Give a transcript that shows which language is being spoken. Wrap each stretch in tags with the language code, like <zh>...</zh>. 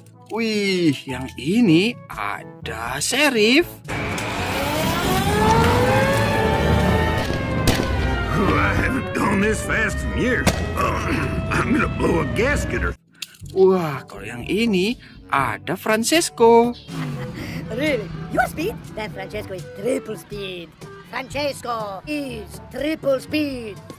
<id>Wih, yang ini ada Sheriff.</id> <en>I haven't gone this fast in years. I'm gonna blow a gasket.</en> <id>Wah, kalau yang ini ada Francesco.</id> <en>Really? Your speed? That Francesco is triple speed. Francesco is triple speed.</en>